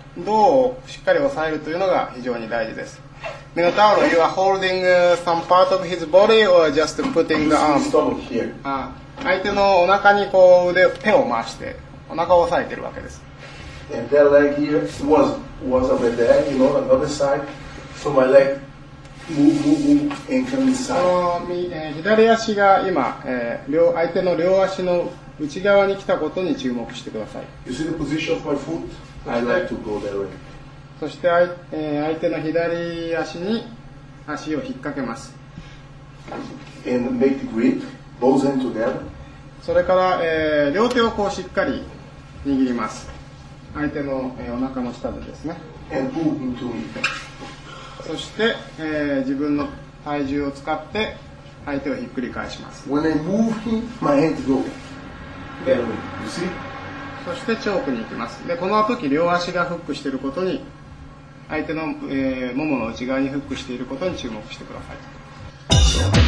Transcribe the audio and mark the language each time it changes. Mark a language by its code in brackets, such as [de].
[ja] 胴をしっかり押さえるというのが非常に大事です。 [en] Minotauro, you are holding some part of his body or just putting the arm? Stomach here. [ja] 相手のお腹にこう腕を手を回してお腹を押さえているわけです。 [en] And that leg here was over there, you know, another side. So my leg move and come inside. [ja] 左足が今、相手の両足の内側に来たことに注目してください。 [en] You see the position of my foot? I like to go that way. [ja] そして相手の左足に足を引っ掛けます。 [en] And make the grip, both hands together. [ja] それから、両手をこうしっかり握ります。相手の、お腹の下でですね。 [en] And pull into me. [ja] そして、自分の体重を使って相手をひっくり返します。 [en] When I move him, my hands go. [ja] で、 [en] You see? [ja] そしてチョークに行きます。で、この時両足がフックしていることに相手の、ももの内側にフックしていることに注目してください。